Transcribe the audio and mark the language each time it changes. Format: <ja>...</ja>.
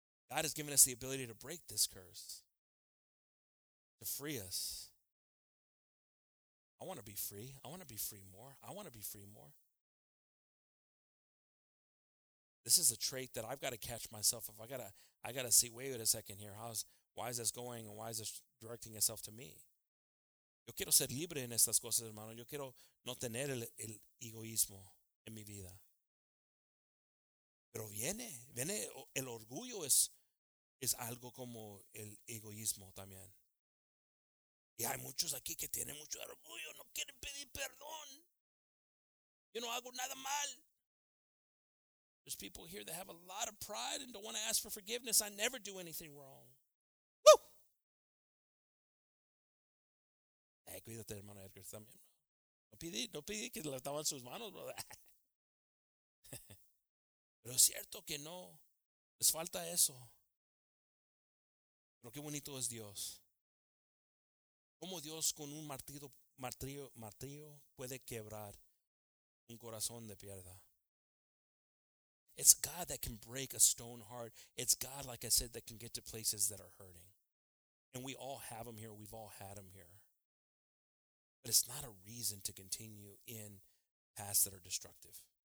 <en>God has given us the ability to break this curse, to free us. I want to be free. I want to be free more. I want to be free more. This is a trait that I've got to catch myself. If I got to see, wait a second here. Why is this going and why is this directing itself to me?</en> <es>Yo quiero ser libre en estas cosas, hermano. Yo quiero no tener el egoísmo en mi vida. Pero viene el orgullo es algo como el egoísmo también. Y hay muchos aquí que tienen mucho orgullo, no quieren pedir perdón. Yo no hago nada mal.</es> <en>There's people here that have a lot of pride and don't want to ask for forgiveness. I never do anything wrong. Woo!</en> <es>Hey, cuídate, hermano Edgar, también. No pide que le estaban sus manos, brother. Pero es cierto que no. Les falta eso. Pero qué bonito es Dios. ¿Cómo Dios con un martillo puede quebrar un corazón de piedra?</es> <en>It's God that can break a stone heart. It's God, like I said, that can get to places that are hurting. And we all have them here. We've all had them here. But it's not a reason to continue in paths that are destructive.</en>